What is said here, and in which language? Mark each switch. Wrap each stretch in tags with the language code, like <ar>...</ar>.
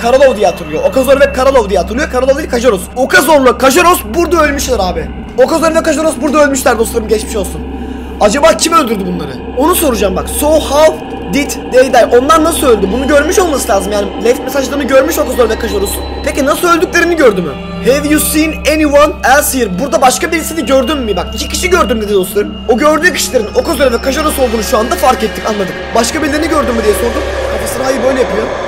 <tr>Karlov diye hatırlıyor. Okuzlar ve Karlov diye hatırlıyor. Karlov değil Kajaros. Okuzlar'la Kajaros burada ölmüşler abi. Okuzlar ve Kajaros burada ölmüşler dostlarım. Geçmiş olsun. Acaba kim öldürdü bunları? Onu soracağım bak.</tr> <en>So how did they die?</en> <tr>Onlar nasıl öldü? Bunu görmüş olması lazım yani. Left mesajlarını görmüş Okuzlar ve Kajaros. Peki nasıl öldüklerini gördü mü?</tr> <en>Have you seen anyone else here?</en> <tr>Burada başka birisini gördün mü? Bak iki kişi gördüm dedi dostlarım. O gördüğü kişilerin Okuzlar ve Kajaros olduğunu şu anda fark ettik, anladım. Başka birilerini gördün mü diye sordum. Kafasına hayır böyle yapıyor.</tr>